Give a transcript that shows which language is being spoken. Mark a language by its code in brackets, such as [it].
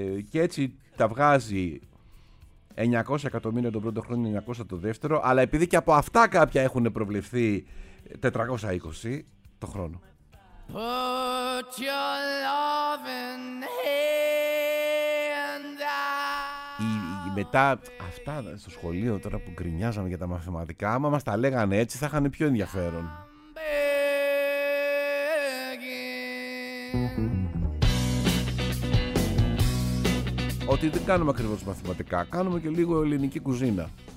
[el] Και έτσι τα βγάζει 900 εκατομμύρια τον πρώτο χρόνο, 900 το δεύτερο, αλλά επειδή και από αυτά κάποια έχουν προβλεφθεί, 420 το χρόνο. [en] Put your loving hand out. [el] Μετά αυτά στο σχολείο, τώρα που γκρινιάζαμε για τα μαθηματικά, άμα μας τα λέγανε έτσι θα είχαν πιο ενδιαφέρον. Ότι δεν κάνουμε ακριβώς μαθηματικά, κάνουμε και λίγο ελληνική κουζίνα.